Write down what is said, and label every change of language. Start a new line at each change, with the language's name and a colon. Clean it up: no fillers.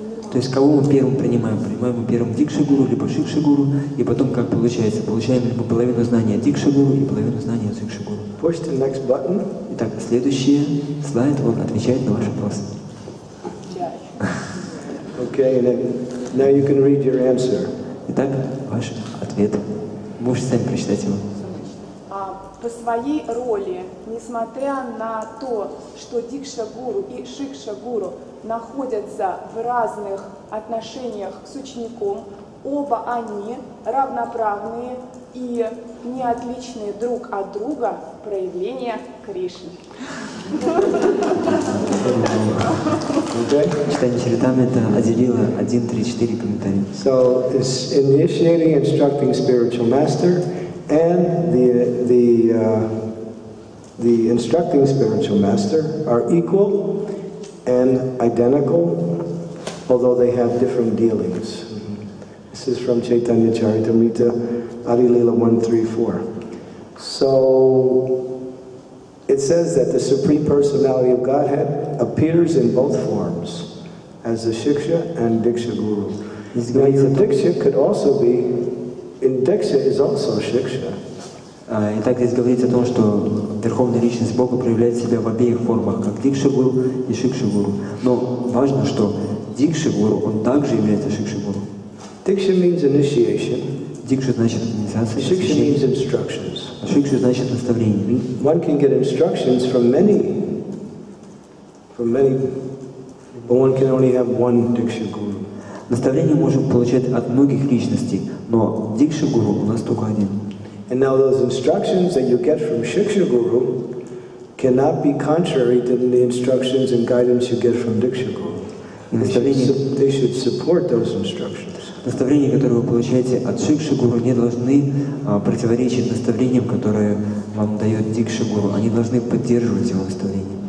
Russian: То есть, кого мы первым принимаем? Принимаем мы первым Дикшей Гуру, либо Шикшей Гуру, и потом как получается? Получаем либо половину знания Дикшей Гуру и половину знания Шикшей Гуру.
English: Push the next button.
Russian: Итак, следующий слайд, он отвечает на ваш вопрос.
English: Okay, and then, now you can read your answer.
Russian: Итак, ваш ответ. Можете сами прочитать его. По своей роли, несмотря на то, что Дикша Гуру и Шикша Гуру находятся в разных отношениях с учеником, оба они равноправные и неотличные друг от друга проявления Кришны. Читание Чаритамрита отделило 1, 3, 4 комментарии.
English: So, it's initiating, instructing spiritual master, and the instructing spiritual master are equal and identical, although they have different dealings. This is from Chaitanya Charitamrita, Adilila 1.3.4. So, it says that the Supreme Personality of Godhead appears in both forms, as the Shiksha and Diksha Guru. Now, your Diksha could also be, in Diksha is also Shiksha.
Russian: Итак, здесь говорится о том, что Верховная Личность Бога проявляет себя в обеих формах, как Дикша Гуру и Шикша Гуру. Но важно, что Дикша Гуру, он также является Шикша Гуру.
English: Diksha means initiation.
Russian: Дикша значит инициация.
English: Shiksha means instructions.
Russian: Шикша значит наставление.
English: One can get instructions from many For many, but one can only have one Diksha Guru.
Russian: Наставление можем получать от многих личностей, но Дикша Гуру у нас только один.
English: And now those instructions that you get from Shiksha Guru cannot be contrary to the instructions and guidance you get from Diksha Guru. They should support those instructions.
Russian: Наставления, которые вы получаете от Шикши Гуру, не должны противоречить наставлениям, которые вам дает Дикши Гуру. Они должны поддерживать его наставления.